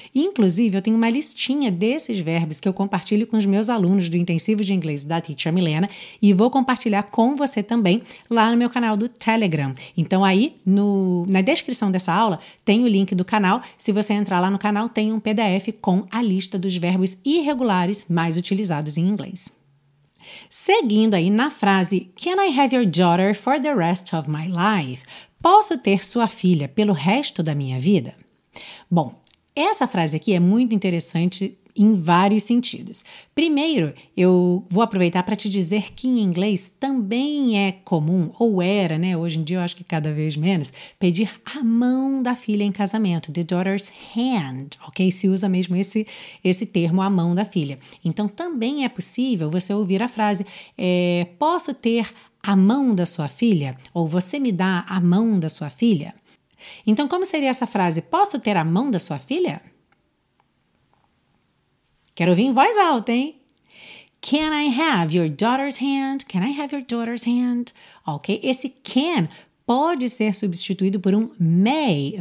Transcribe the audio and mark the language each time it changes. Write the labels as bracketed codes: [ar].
[pt] Inclusive, eu tenho uma listinha desses verbos que eu compartilho com os meus alunos do Intensivo de Inglês da Teacher Milena e vou compartilhar com você também lá no meu canal do Telegram. Então aí, na descrição dessa aula, tem o link do canal. Se você entrar lá no canal, tem um PDF com a lista dos verbos irregulares mais utilizados em inglês. Seguindo aí na frase, [en] can I have your daughter for the rest of my life? [pt] Posso ter sua filha pelo resto da minha vida? Bom, essa frase aqui é muito interessante em vários sentidos. Primeiro, eu vou aproveitar para te dizer que em inglês também é comum, ou era, né? Hoje em dia eu acho que cada vez menos, pedir a mão da filha em casamento, the daughter's hand, ok? Se usa mesmo esse termo, a mão da filha. Então, também é possível você ouvir a frase, posso ter a mão da sua filha? Ou você me dá a mão da sua filha? Então, como seria essa frase, posso ter a mão da sua filha? Quero ouvir em voz alta, hein? [en] Can I have your daughter's hand? Can I have your daughter's hand? Ok? [pt] Esse can pode ser substituído por um may.